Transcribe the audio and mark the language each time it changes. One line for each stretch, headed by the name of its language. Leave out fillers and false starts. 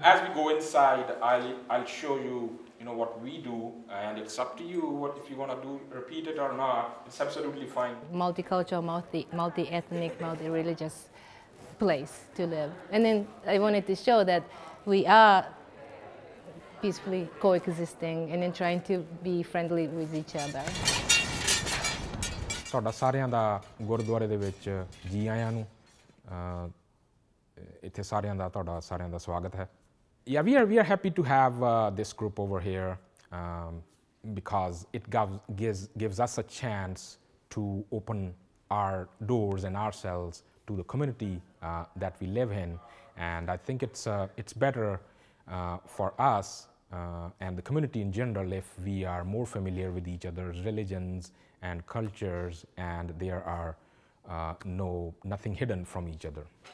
English: As we go inside, I'll show you, you know, what we do, and it's up to you if you want to repeat it or not. It's absolutely fine. Multicultural, multi-ethnic, multi-religious place to live. And then I wanted to show that we are peacefully coexisting and then trying to be friendly with each other.
Punjabi: ਤੁਹਾਡਾ ਸਾਰਿਆਂ ਦਾ ਗੁਰਦੁਆਰੇ ਦੇ ਵਿੱਚ ਜੀ ਆਇਆਂ ਨੂੰ ਇੱਥੇ ਸਾਰਿਆਂ ਦਾ ਤੁਹਾਡਾ ਸਾਰਿਆਂ ਦਾ ਸਵਾਗਤ ਹੈ.
English: Yeah, we are happy to have this group over here because it gives us a chance to open our doors and ourselves to the community that we live in, and I think it's better for us and the community in general if we are more familiar with each other's religions and cultures, and there are nothing hidden from each other.